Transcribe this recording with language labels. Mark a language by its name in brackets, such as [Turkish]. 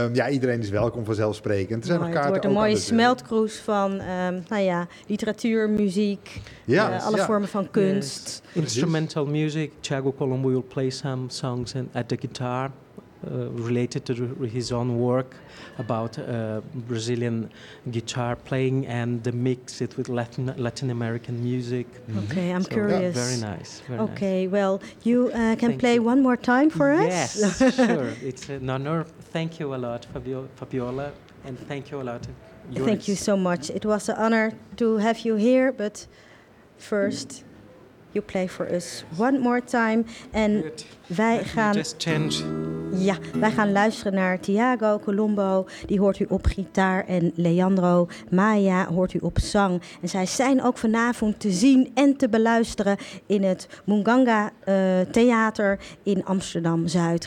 [Dutch] Iedereen is welkom vanzelfsprekend. Er zijn nog kaarten. Het wordt een mooie smeltkroes van literatuur, muziek, alle vormen van kunst. [English] Yes. Instrumental music. Thiago Colombo will play some songs at the guitar. Related to his own work about Brazilian guitar playing and the mix it with Latin American music. Mm-hmm. Okay, I'm curious. Yeah. Very nice. Very okay, nice. Well, you can play one more time for us? Yes, sure. It's an honor. Thank you a lot, Fabiola, and thank you a lot. Joris. Thank you so much. It was an honor to have you here, but first... Mm. You play for us one more time. [Dutch] En [English] good. [Dutch] Wij gaan... [English] Just change. [Dutch] Ja, wij gaan luisteren naar Thiago Colombo. Die hoort u op gitaar. En Leandro Maia hoort u op zang. En zij zijn ook vanavond te zien en te beluisteren in het Munganga Theater in Amsterdam-Zuid.